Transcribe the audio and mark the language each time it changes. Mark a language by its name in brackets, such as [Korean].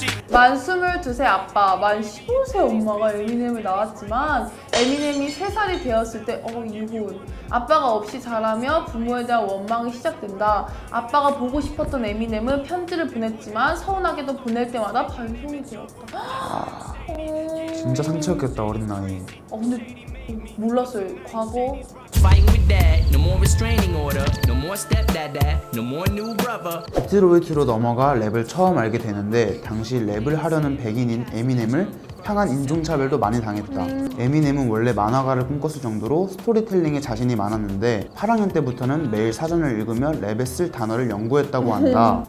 [Korean] 만 22세 아빠, 만 15세 엄마가 에미넴을 낳았지만 에미넴이 3살이 되었을 때 유혼. 아빠가 없이 자라며 부모에 대한 원망이 시작된다. 아빠가 보고 싶었던 에미넴은 편지를 보냈지만 서운하게도 보낼 때마다 반성이 되었다. 진짜 상처였겠다, 어린 나이. 근데 몰랐어요, 과거. [English] Fighting with that, no more restraining order, no more stepdad, no more new brother. [Korean] 디트로이트로 넘어가 랩을 처음 알게 되는데 당시 랩을 하려는 백인인 에미넴을 향한 인종차별도 많이 당했다. 에미넴은 원래 만화가를 꿈꿨을 정도로 스토리텔링에 자신이 많았는데 8학년 때부터는 매일 사전을 읽으며 랩에 쓸 단어를 연구했다고 한다.